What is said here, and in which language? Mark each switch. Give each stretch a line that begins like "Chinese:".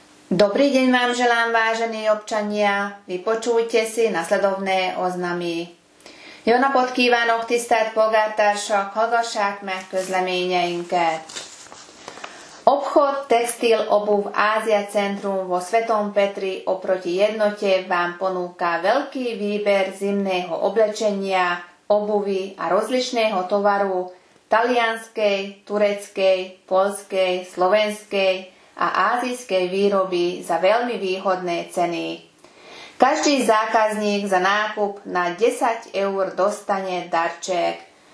Slovak: Dobrý deň vám želám, vážení občania. Vypočujte si nasledovné oznamy.
Hungarian: Jó napot kívánok, tisztelt polgártársak, hallgassák meg közleményeinket.
Slovak: Obchod textil obuv Ázia Centrum vo Svetom Petri oproti jednote vám ponúka veľký výber zimného oblečenia, obuvy a rozličného tovaru talianskej, tureckej, poľskej, slovenskej a ázijskej výroby za veľmi výhodné ceny. Každý zákazník za nákup na 10 eur dostane darček.